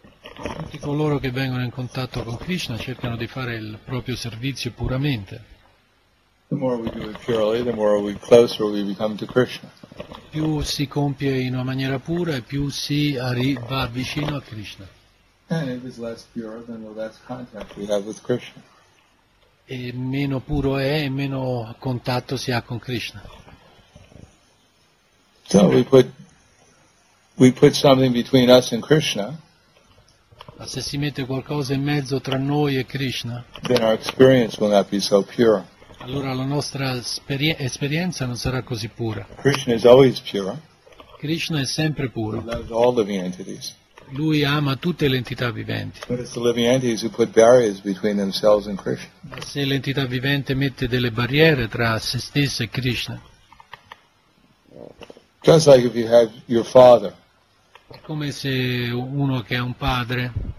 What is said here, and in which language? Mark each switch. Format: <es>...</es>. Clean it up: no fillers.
<it>Tutti coloro che vengono in contatto con Krishna cercano di fare il proprio servizio puramente.</it> <en>The more we do it purely, the more we closer we become to Krishna.</en> <it>Più si compie in una maniera pura e più si va vicino a Krishna.</it> <en>And if it's less pure, then the less contact we have with Krishna.</en> <it>E meno puro è, e meno contatto si ha con Krishna.</it> <en>So we put something between us and Krishna.</en> <it>Ma se si mette qualcosa in mezzo tra noi e Krishna,</it> <en>then our experience will not be so pure.</en> <it>Allora la nostra esperienza non sarà così pura.</it> <en>Krishna is always pure.</en> <it>Krishna è sempre puro.</it> <en>He loves all living entities.</en> <it>Lui ama tutte le entità viventi.</it> <en>But it's the living entities who put barriers between themselves and Krishna.</en> <it>Ma se l'entità vivente mette delle barriere tra se stessa e Krishna.</it> <en>Just like if you have your father.</en> <it>È come se uno che ha un padre.</it>